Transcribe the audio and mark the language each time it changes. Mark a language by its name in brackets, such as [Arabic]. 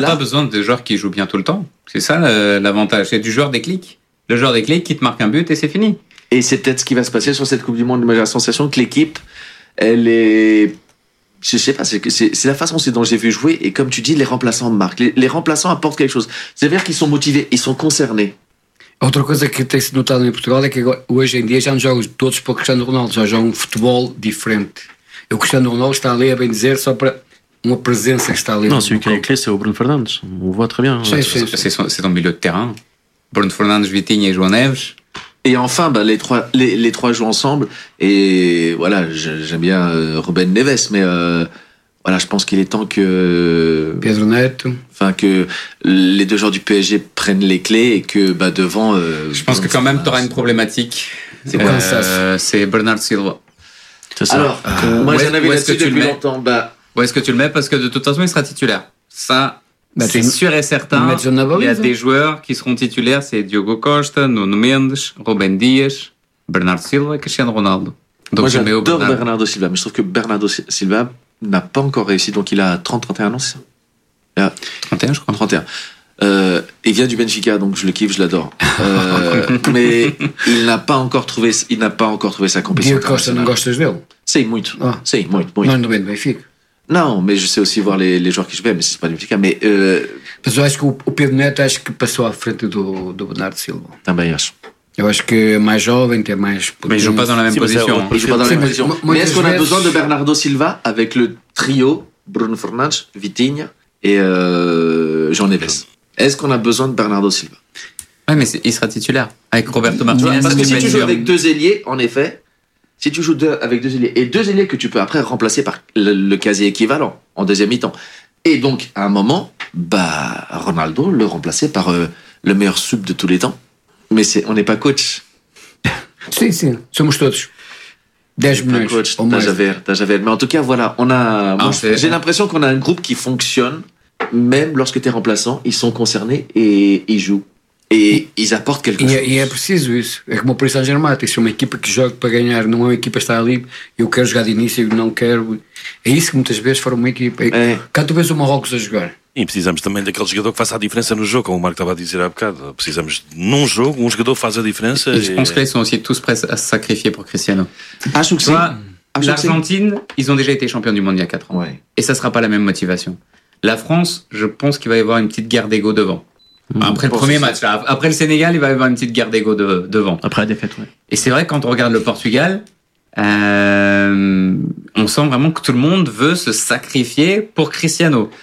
[French] pas besoin de joueurs qui jouent bien tout le temps. C'est ça l'avantage. C'est du joueur déclic. Le joueur déclic qui te marque un but et c'est fini. Et c'est peut-être ce qui va se passer sur cette Coupe du Monde. J'ai la sensation que l'équipe, elle est. Je sais pas, c'est la façon dont j'ai vu jouer et comme tu dis, les remplaçants marquent. Les remplaçants apportent quelque chose. C'est-à-dire qu'ils sont motivés, ils sont concernés. [Portuguese] Outra coisa que tem sido notada em Portugal é que hoje em dia já não jogam todos para o Cristiano Ronaldo, já jogam um futebol diferente. o Cristiano Ronaldo está ali a bem dizer só para uma presença que está ali. Não, se o que é clé, é o Bruno Fernandes. O voto é bien. [French] C'est un milieu de terrain. [Portuguese] Bruno Fernandes, Vitinha e João Neves. [French] Et enfin, bah, les trois jouent ensemble. Et voilà, j'aime bien Ruben Neves, mais voilà, je pense qu'il est temps que. Pedro Neto. Enfin, que les deux joueurs du PSG prennent les clés et que bah, devant. Je pense que quand même, tu auras une problématique. C'est quoi ça? C'est Bernard Silva. C'est ça. Alors, moi, j'en avais l'habitude depuis longtemps. Bah... Où est-ce que tu le mets? Parce que de toute façon, il sera titulaire. Ça. Bah, c'est sûr et certain, il y a des joueurs qui seront titulaires, c'est Diogo Costa, Nuno Mendes, Ruben Dias, Bernardo Silva et Cristiano Ronaldo. Donc, moi j'adore Bernardo Silva, mais je trouve que Bernardo Silva n'a pas encore réussi, donc il a 31 ans, c'est ça il a 31 je crois. 31. Il vient du Benfica, donc je le kiffe, je l'adore. mais il n'a pas encore trouvé sa compétition. [Portuguese] Diogo Costa, non gostas dele? Sim, muito. Sim, muito, muito. Não é do Benfica? Não, mas eu sei [French] aussi voir les joueurs que je vais, [Portuguese] mas isso pode ficar. Mas eu acho que o Pedro Neto acho que passou à frente do Bernardo Silva. Também acho. Eu acho que é mais jovem, tem mais potência. Mas joga [French] pas dans la même position. Mas est-ce qu'on a besoin de Bernardo Silva avec le trio Bruno Fernandes, Vitinha et João Neves? Est-ce qu'on a besoin de Bernardo Silva? Oui, mais il sera titulaire avec Roberto Martinez. Parce que si tu joues avec deux ailiers, en effet... Si tu joues avec deux ailiers, et deux ailiers que tu peux après remplacer par le casier équivalent en deuxième mi-temps. Et donc, à un moment, bah, Ronaldo le remplaçait par le meilleur sub de tous les temps. Mais on n'est pas coach. [Portuguese] Si, si, somos todos. 10 minutes. [French] T'as Javert. Mais en tout cas, voilà, j'ai l'impression qu'on a un groupe qui fonctionne, même lorsque t'es remplaçant, ils sont concernés et ils jouent. [Portuguese] E eles aportam [French] quelque [Portuguese] coisa. E é preciso isso. É como o Paris Saint-Germain. Tem que ser uma equipa que joga para ganhar. Não é uma equipa que está ali. Eu quero jogar de início, eu não quero. É isso que muitas vezes forma uma equipa. Cá tu vês o Marrocos a jogar. E precisamos também daquele jogador que faça a diferença no jogo, como o Marco estava a dizer há bocado. Precisamos, num jogo, um jogador faz a diferença. Eu penso que eles são todos prêts a sacrificar por Cristiano. Acho que sim. [French] L'Argentine, ils ont déjà été champions du monde il y a 4 ans. Ouais. Et ça ne sera pas la même motivation. La France, je pense qu'il va y avoir une petite guerre d'ego devant. Après le premier match, là, après le Sénégal, il va y avoir une petite guerre d'ego devant. Après la défaite, oui. Et c'est vrai, quand on regarde le Portugal, on sent vraiment que tout le monde veut se sacrifier pour Cristiano.